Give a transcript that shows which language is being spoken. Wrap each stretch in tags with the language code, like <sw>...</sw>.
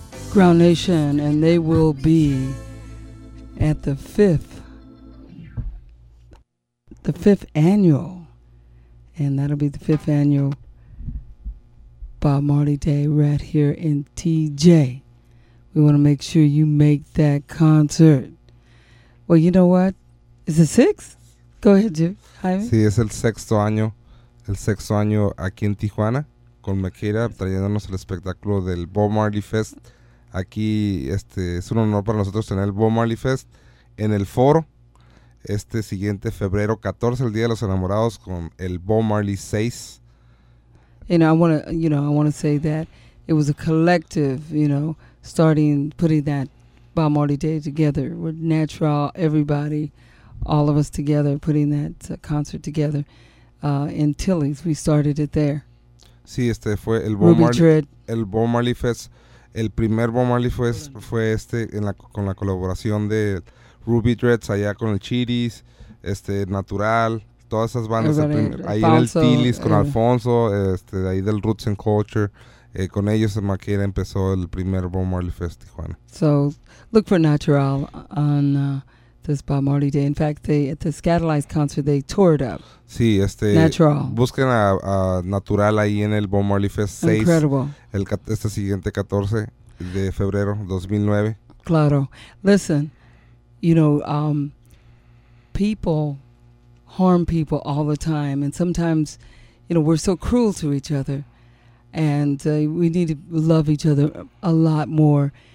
<en>Ground Nation, and they will be at the fifth annual, and that'll be the fifth annual Bob Marley Day right here in TJ. We want to make sure you make that concert. Well, you know what? Is it sixth? Go ahead, Jimmy.</en> <es>Sí, es el sexto año aquí en Tijuana con Mequeira, trayéndonos el espectáculo del Bob Marley Fest. Aquí es un honor para nosotros tener el Bob Marley Fest en el foro este siguiente febrero 14, el Día de los Enamorados, con el Bob Marley 6.</es> <en>And I want to say that it was a collective, you know, starting, putting that Bob Marley Day together with Natural, everybody, all of us together, putting that concert together in Tilly's. We started it there.</en> <es>Sí, fue el Bob Marley. El Bob Marley Fest. El primer Bob Marley fue con la colaboración de Ruby Dreads allá con el Chiris, Natural, todas esas bandas. Ahí en el Tilis con Alfonso, de ahí del Roots and Culture. Con ellos en Maquera empezó el primer Bob Marley Fest, Tijuana.</es> <en>So, look for Natural on this Bob Marley Day. In fact, at the Scatalyze concert, they tore it up.</en> <es>Sí, Natural. Busquen a Natural ahí en el Bob Marley Fest 6.</es> <en>Incredible.</en> <es>Este siguiente 14 de febrero 2009. Claro.</es> <en>Listen, you know, people harm people all the time. And sometimes, you know, we're so cruel to each other. And we need to love each other a lot more.</en>